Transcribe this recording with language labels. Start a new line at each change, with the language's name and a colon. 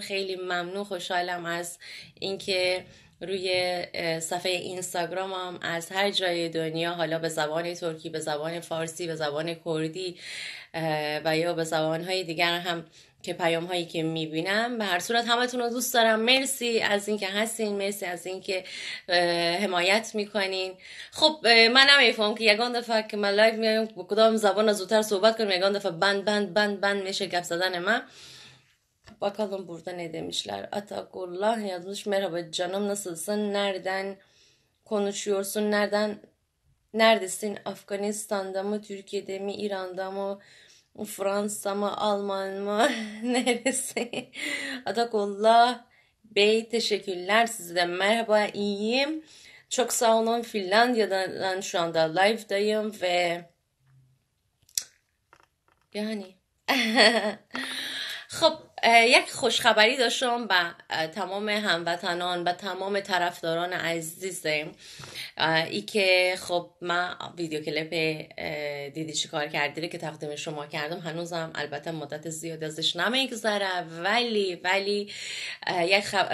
Persian: خیلی ممنون، خوشحالم از اینکه روی صفحه اینستاگرامم از هر جای دنیا، حالا به زبان ترکی، به زبان فارسی، به زبان کردی و یا به زبانهای دیگر هم که پیام هایی که میبینم، به هر صورت همتون رو دوست دارم. مرسی از اینکه هستین، مرسی از اینکه حمایت میکنین. خب من نمیفهم که یکان دفعه که من لایف میایم با کدام زبان زودتر صحبت کنم، یکان دفعه بند بند بند بند میشه گپ زدن من.
Turkish: Bakalım burada ne demişler. Atakullah yazmış. Merhaba canım, nasılsın? Nereden konuşuyorsun? Nereden? Neredesin? Afganistan'da mı? Türkiye'de mi? İran'da mı? Fransa mı? Alman mı? Neresi? Atakullah Bey teşekkürler. Size de merhaba. İyiyim. Çok sağ olun. Finlandiya'dan şu anda live'dayım ve yani
Persian: خب یک خوشخبری داشتم به تمام هموطنان و تمام طرفداران عزیزم، ای که خب من ویدیو کلیپ دیدی چیکار کردی که تقدیم شما کردم، هنوزم البته مدت زیاد ازش نمیگذره، ولی یک